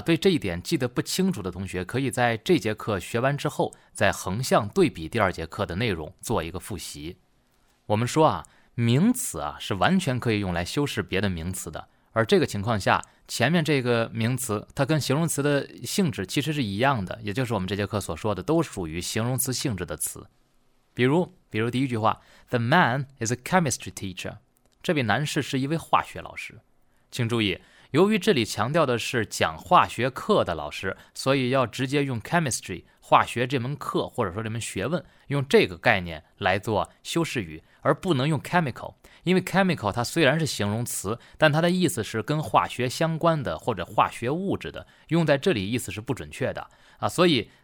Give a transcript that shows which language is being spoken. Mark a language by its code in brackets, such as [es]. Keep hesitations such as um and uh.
[zh] 对这一点记得不清楚的同学，可以在这节课学完之后，再横向对比第二节课的内容做一个复习。我们说啊，名词啊是完全可以用来修饰别的名词的，而这个情况下，前面这个名词它跟形容词的性质其实是一样的，也就是我们这节课所说的，都属于形容词性质的词。比如，比如第一句话， [en] The man is a chemistry teacher。 [zh] 这位男士是一位化学老师。请注意，由于这里强调的是讲化学课的老师，所以要直接用 chemistry 化学这门课或者说这门学问，用这个概念来做修饰语，而不能用 chemical，因为 chemical 它虽然是形容词，但它的意思是跟化学相关的或者化学物质的，用在这里意思是不准确的啊，所以。